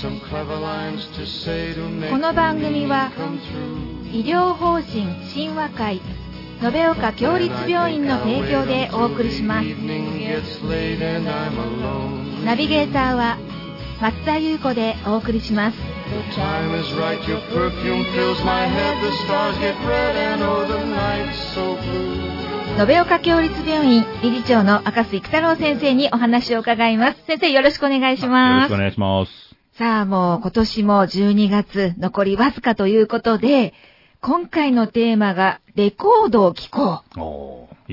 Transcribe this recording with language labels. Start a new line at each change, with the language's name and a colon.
Japanese: この番組は医療法人親和会延岡共立病院の提供でお送りします。ナビゲーターは松田優子でお送りします。
English: The time is right, your perfume fills my head, the stars get red and oh, the night's so blue.
Japanese: 延岡共立病院理事長の赤須育太郎先生にお話を伺います。先生よろしくお願いします。よろしくお願いします。さあもう今年も12月残りわずかということで、今回のテーマがレコードを聴こう。